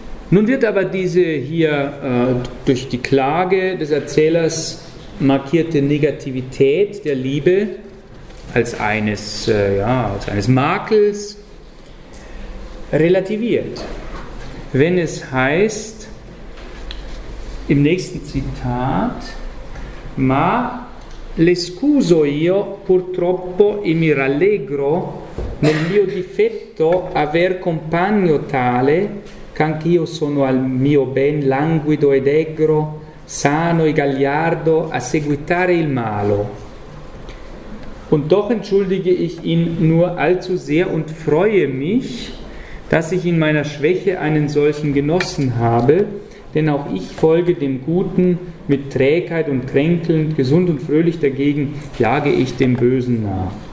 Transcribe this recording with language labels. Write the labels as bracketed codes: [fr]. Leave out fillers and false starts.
[de] Nun wird aber diese hier durch die Klage des Erzählers markierte Negativität der Liebe als eines Makels relativiert. Wenn es heißt, im nächsten Zitat, [it] ma le scuso io purtroppo e mi rallegro nel mio difetto aver compagno tale ch'anch'io sono al mio ben languido ed egro sano e gagliardo a seguitare il malo. [de] Und doch entschuldige ich ihn nur allzu sehr und freue mich, dass ich in meiner Schwäche einen solchen Genossen habe, denn auch ich folge dem Guten mit Trägheit und Kränkeln, gesund und fröhlich dagegen, jage ich dem Bösen nach.